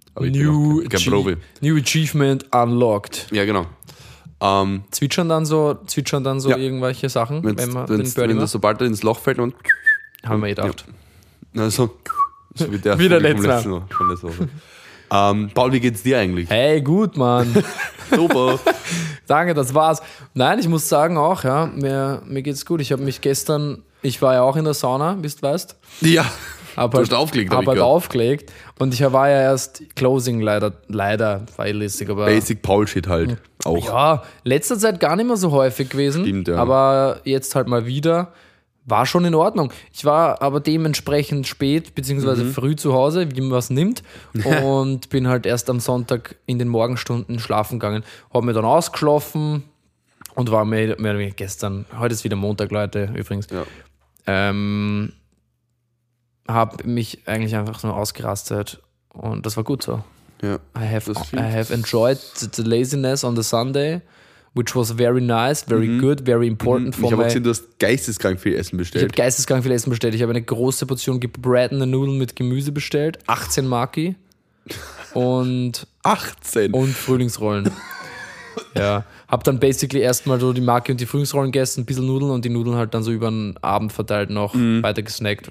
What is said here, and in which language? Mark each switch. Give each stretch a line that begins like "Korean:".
English: Aber New Achievement unlocked.
German: Ja, genau. Zwitschern dann so ja, irgendwelche Sachen, wenn man den Birdie macht. Sobald er ins Loch fällt und. Haben wir gedacht. Ja. Also, so wie der, wie der letzte. Paul, wie geht's dir eigentlich? Hey, gut, Mann. Super. Danke, das war's. Nein, ich muss sagen auch, ja, mir geht's gut. Ich habe mich gestern, ich war ja auch in der Sauna, wie du weißt. Ja, du hast aufgelegt. Und ich war ja erst Closing leider feillässig. Basic Paul-Shit halt auch. Ja, letzter Zeit gar nicht mehr so häufig gewesen. Stimmt, ja. Aber jetzt halt mal wieder. War schon in Ordnung. Ich war aber dementsprechend spät bzw. früh zu Hause, wie man was nimmt. Und bin halt erst am Sonntag in den Morgenstunden schlafen gegangen. Habe mir dann ausgeschlafen und war mehr gestern. Heute ist wieder Montag, Leute, übrigens. Ja. Habe mich eigentlich einfach nur ausgerastet. Und das war gut so. Ja,
English: I have enjoyed the laziness on the Sunday. Which was very nice, very good, very important for me.
German: Ich habe gesehen, du hast geisteskrank viel Essen bestellt. Ich habe geisteskrank viel Essen bestellt. Ich habe eine große Portion gebratene Nudeln mit Gemüse bestellt. 18 Maki. Und 18? Und Frühlingsrollen. Ja. Habe dann basically erstmal so die Maki und die Frühlingsrollen gegessen, ein bisschen Nudeln und die Nudeln halt dann so über den Abend verteilt noch weiter gesnackt.